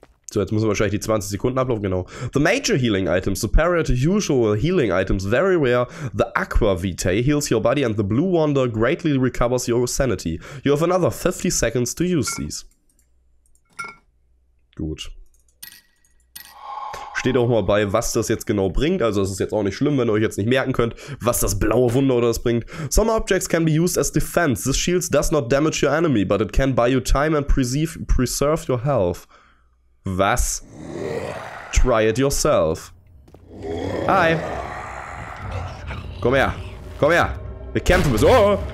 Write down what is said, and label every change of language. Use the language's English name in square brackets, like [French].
[German] So, jetzt müssen wir wahrscheinlich die 20 Sekunden ablaufen, genau. [English] The major healing items, superior to usual healing items, very rare. The Aqua Vitae heals your body and the Blue Wonder greatly recovers your sanity. You have another 50 seconds to use these. [German] Gut. Steht auch mal bei, was das jetzt genau bringt. Also es ist jetzt auch nicht schlimm, wenn ihr euch jetzt nicht merken könnt, was das blaue Wunder oder das bringt. [English] Some objects can be used as defense. This shield does not damage your enemy, but it can buy you time and preserve your health. [German] Was? [English] Try it yourself. Hi. [German] Komm her. Komm her. Wir kämpfen bis... Oh!